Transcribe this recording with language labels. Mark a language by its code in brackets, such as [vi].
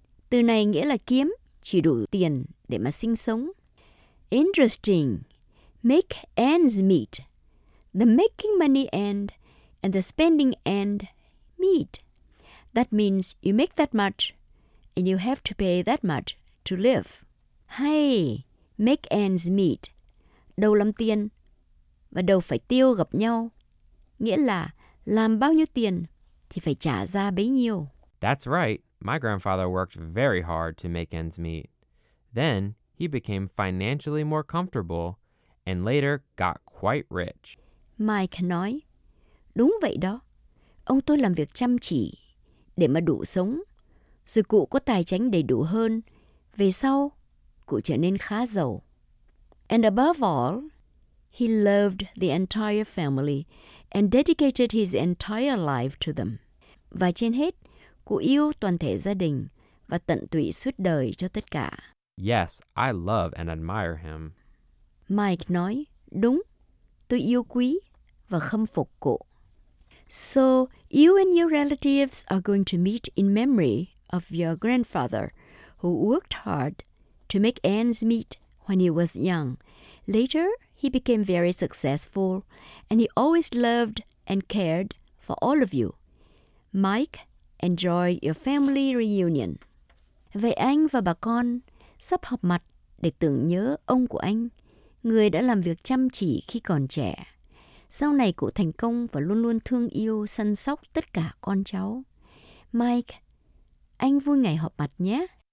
[vi] Từ này nghĩa là kiếm, chỉ đủ tiền để mà sinh sống. [en] Interesting, make ends meet. The making money end and the spending end meet. That means you make that much, and you have to pay that much to live. Hey, make ends meet. [vi] Đầu làm tiền và đầu phải tiêu gặp nhau. Nghĩa là làm bao nhiêu tiền thì phải trả ra bấy nhiêu. [en] That's right. My grandfather worked very hard to make ends meet. Then he became financially more comfortable and later got quite rich. [vi] Mike nói, đúng vậy đó. Ông tôi làm việc chăm chỉ. Để mà đủ sống, rồi cụ có tài chính đầy đủ hơn. Về sau, cụ trở nên khá giàu. [en] And above all, he loved the entire family and dedicated his entire life to them. [vi] Và trên hết, cụ yêu toàn thể gia đình và tận tụy suốt đời cho tất cả. [en] Yes, I love and admire him. [vi] Mike nói, đúng, tôi yêu quý và khâm phục cụ. [en] So, you and your relatives are going to meet in memory of your grandfather, who worked hard to make ends meet when he was young. Later, he became very successful, and he always loved and cared for all of you. Mike, enjoy your family reunion. [vi] Vậy anh và bà con sắp họp mặt để tưởng nhớ ông của anh, người đã làm việc chăm chỉ khi còn trẻ. Sau này cụ thành công và luôn luôn thương yêu, săn sóc tất cả con cháu. Mike, anh vui ngày họp mặt nhé.